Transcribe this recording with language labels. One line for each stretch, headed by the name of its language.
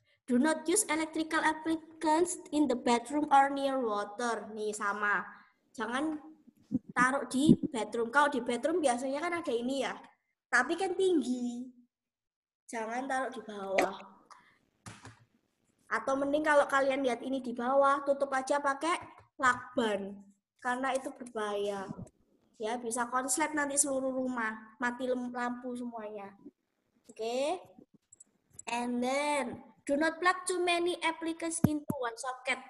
English: Do not use electrical applicants in the bedroom or near water.
Indonesian: Nih, sama. Jangan taruh di bedroom. Kalau di bedroom biasanya kan ada ini ya. Tapi kan tinggi. Jangan taruh di bawah. Atau mending kalau kalian lihat ini di bawah, tutup aja pakai lakban. Karena itu berbahaya. Ya, bisa konslet nanti seluruh rumah. Mati lampu semuanya. Oke? Okay?
English: And then, do not plug too many applicants into one socket.